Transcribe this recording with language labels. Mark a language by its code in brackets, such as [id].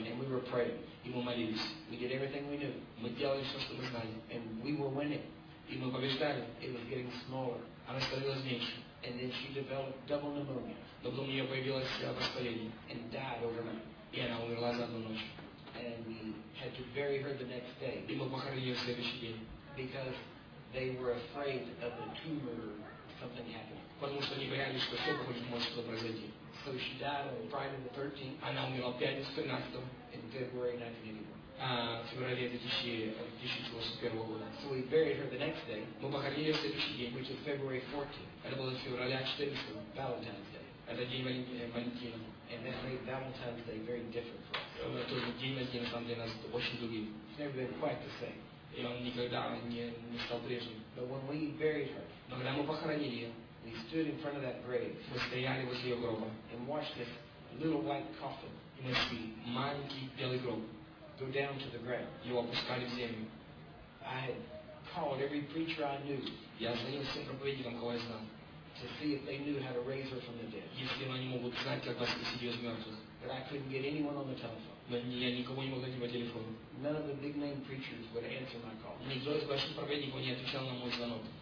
[en] And we were praying. [ru] И мы молились. [en] We did everything we knew. [ru] Мы делали все, что мы знали. [en] And we were winning. [ru] И мы побеждали. [en] It was getting smaller. [ru] Она становилась меньше. [en] And then she developed double pneumonia. [ru] Но потом у нее появилось воспаление. [en] And died overnight. [ru] И она умерла за одну ночь. [en] And we had to bury her the next day. [ru] И мы похоронили ее в следующий день. [en] Because they were afraid of the tumor something happening. [ru] Потому что они боялись, что все может что-то произойти. [en] So she died on Friday the 13th. [ru] Она умерла пятницу 13-го. [en] In February 1981. [ru] В феврале 2001 года. [en] So we buried her the next day. [ru] Мы похоронили ее в следующий день. [en] Which is February 14th. [ru] Это было в феврале 14-го. [en] Valentine's Day. [ru] Это день Валентина. [en] And that made Valentine's Day very different for us. [ru] Это день Валентина, сам для нас очень другим. [en] It's never been quite the same. [ru] И он никогда не стал прежним. [en] But when we buried her. [ru] Но когда мы похоронили ее. [en] We stood in front of that grave. [ru] Мы стояли возле ее гроба. [en] And watched this little white coffin. [ru] И мы шли маленький белый гроб. [en] Go down to the ground. [ru] Его опускали в землю. [en] I had called every preacher I knew. [ru] Я звонил всем проповедникам, кого я знал. [en] To see if they knew how to raise her from the dead. [ru] Если они могут знать, как воскресить ее из мертвых. [en] But I couldn't get anyone on the telephone. [ru] Но я никого не мог найти по телефону. [en] None of the big name preachers would answer my call. [ru] Никто из больших проповедников не отвечал на мой звонок.